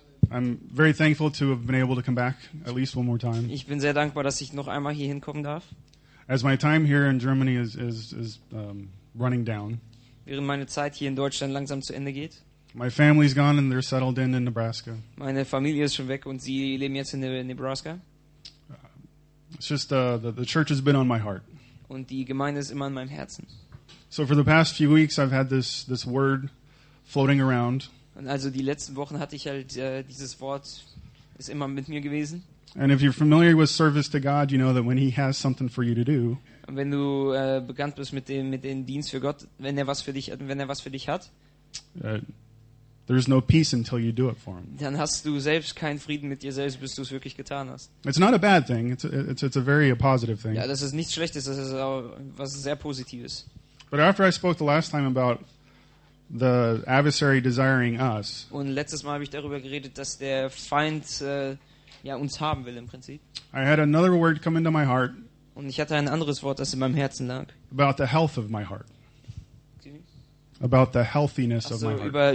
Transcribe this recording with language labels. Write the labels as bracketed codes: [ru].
[en] I'm very thankful to have been able to come back at least one more time. [de] Ich bin sehr dankbar, dass ich noch einmal hier hinkommen darf. [en] As my time here in Germany is running down. [de] Während meine Zeit hier in Deutschland langsam zu Ende geht. [en] My family's gone and they're settled in Nebraska. [de] Meine Familie ist schon weg und sie leben jetzt in Nebraska. [en] It's just the church has been on my heart. [de] Und die Gemeinde ist immer in meinem Herzen. [en] So for the past few weeks I've had this word floating around. [de] Und also die letzten Wochen hatte ich halt dieses Wort ist immer mit mir gewesen. [en] And if you're familiar with service to God, you know that when he has something for you to do. [de] Und wenn du bekannt bist mit dem Dienst für Gott, wenn er was für dich hat. [en] There's no peace until you do it for him. [de] Dann hast du selbst keinen Frieden mit dir selbst, bis du es wirklich getan hast. [en] It's not a bad thing. It's a very positive thing. [de] Ja, das ist nichts Schlechtes, das ist auch was sehr Positives. [en] But after I spoke the last time about the adversary desiring us. [de] Und letztes Mal habe ich darüber geredet, dass der Feind uns haben will im Prinzip. [en] I had another word come into my heart. [de] Und ich hatte ein anderes Wort, das in meinem Herzen lag. [en] About the health of my heart. About the healthiness of my heart.